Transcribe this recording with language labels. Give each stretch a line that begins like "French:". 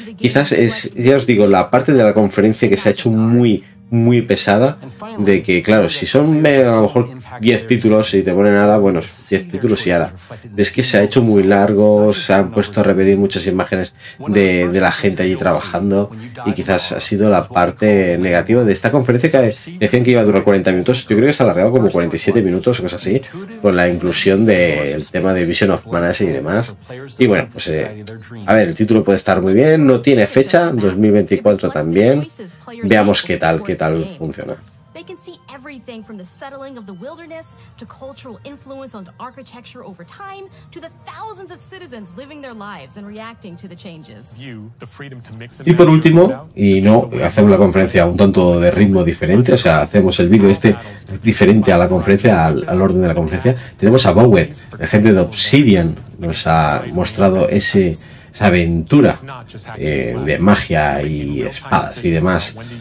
Spanish: Quizás es, ya os digo, la parte de la conferencia que se ha hecho muy pesada, de que claro, si son a lo mejor 10 títulos y te ponen ARA, bueno, 10 títulos y ARA, es que se ha hecho muy largo, se han puesto a repetir muchas imágenes de la gente allí trabajando, y quizás ha sido la parte negativa de esta conferencia, que decían que iba a durar 40 minutos, yo creo que se ha alargado como 47 minutos o cosas así, con la inclusión del tema de Vision of Mana y demás. Y bueno, pues a ver, el título puede estar muy bien, no tiene fecha, 2024 también, veamos qué tal funciona.
English: They can see everything from the settling of the wilderness to cultural influence on architecture over time to the thousands of citizens living their lives and reacting to the changes.
Spanish: Y por último, y no hacemos la conferencia un tanto de ritmo diferente, o sea, hacemos el vídeo este diferente a la conferencia, al orden de la conferencia, tenemos a Bowet, la gente de Obsidian nos ha mostrado esa aventura de magia y espadas y demás.